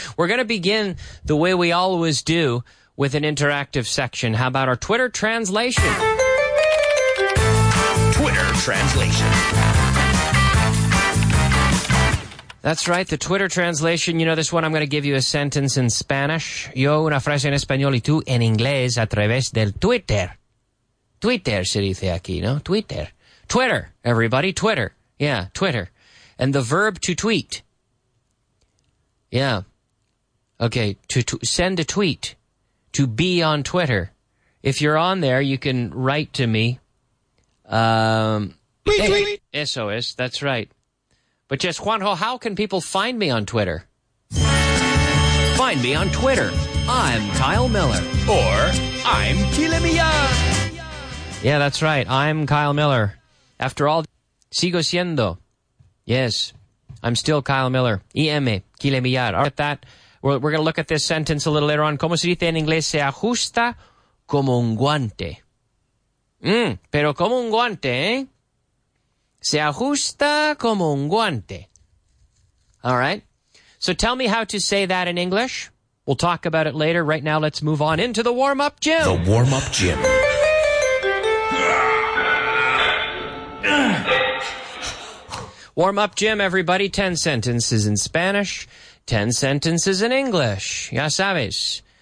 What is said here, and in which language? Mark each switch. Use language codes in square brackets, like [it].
[en] We're going to begin the way we always do with an interactive section. How about our Twitter translation? Twitter translation. That's right. The Twitter translation. You know this one. I'm going to give you a sentence in Spanish. [es] Yo una frase en español y tú en inglés a través del Twitter. Twitter, se dice aquí, ¿no? Twitter. Twitter, everybody. Twitter. Yeah, Twitter. [en] And the verb to tweet. Yeah. Okay, to send a tweet. To be on Twitter. If you're on there, you can write to me. Tweet. [es] Eso es, [en] that's right. But just, Juanjo, how can people find me on Twitter? Find me on Twitter. I'm Kyle Miller. Or I'm Kilimia. Yeah, that's right. I'm Kyle Miller. After all, [es] sigo siendo. [en] Yes, I'm still Kyle Miller. IM, Kile Millar. All right, that. We're going to look at this sentence a little later on. [es] ¿Cómo se dice en inglés? Se ajusta como un guante. Pero como un guante, ¿eh? Se ajusta como un guante. [en] All right. So tell me how to say that in English. We'll talk about it later. Right now, let's move on into the warm-up gym. The warm-up gym. Warm up, Jim, everybody. 10 sentences in Spanish, 10 sentences in English. [es] Ya sabes.